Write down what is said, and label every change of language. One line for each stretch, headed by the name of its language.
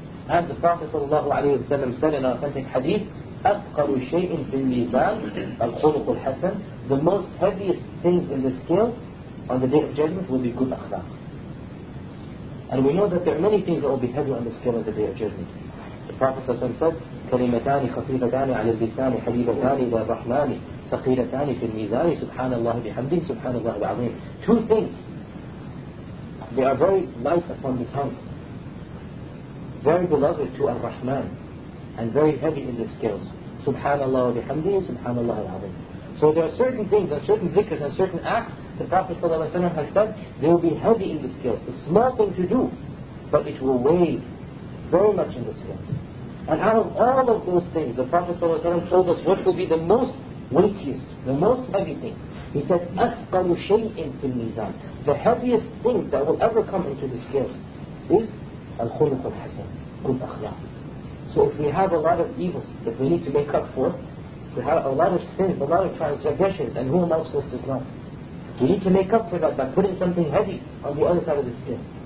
English: And the Prophet ﷺ said in an authentic hadith,
Arabic: أَفْقَرُ شَيْءٍ فِي الْمِيزَانِ الْخُلُقُ الْحَسَنِ.
English: The most heaviest things in the scale on the Day of Judgment will be good akhlaq. And we know that there are many things that will be heavy on the scale on the Day of Judgment. The Prophet ﷺ said,
Arabic: كَلِمَتَانِ خَفِيفَتَانِ عَلَى اللِّسَانِ حَبِيبَتَانِ إِلَى الرَّحْمَنِ ثَقِيلَتَانِ فِي الْمِيزَانِ سُبْحَانَ اللَّهِ بِحَمْدِهِ سُبْحَانَ اللَّهِ الْعَظِيمِ.
English: Two things, they are very light upon the tongue, very beloved to Ar-Rahman, and very heavy in the scales.
Arabic: Subhanallah wa bihamdihi, Subhanallah al-Azim.
English: So there are certain things, and certain dhikrs, and certain acts, the Prophet sallallahu alayhi wa sallam has said, they will be heavy in the scales. A small thing to do, but it will weigh very much in the scales. And out of all of those things, the Prophet sallallahu alayhi wa sallam told us what will be the most weightiest, the most heavy thing. He said,
Arabic: أَثْقَلُ شَيْءٍ فِي الْمِيزَانِ.
English: The heaviest thing that will ever come into the scales is
Arabic: الخلق الحسن,
English: good akhlaq. So if we have a lot of evils that we need to make up for, we have a lot of sins, a lot of transgressions, and who amongst us does not? We need to make up for that by putting something heavy on the other side of the skin.